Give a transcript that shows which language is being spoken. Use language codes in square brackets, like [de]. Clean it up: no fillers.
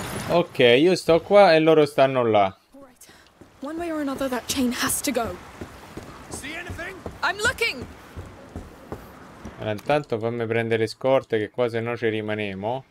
[it] Ok, io sto qua e loro stanno là. [en] One way or another that chain has to go. See anything? I'm looking. [it] Allora, intanto fammi prendere scorte che qua se no ci rimanemo.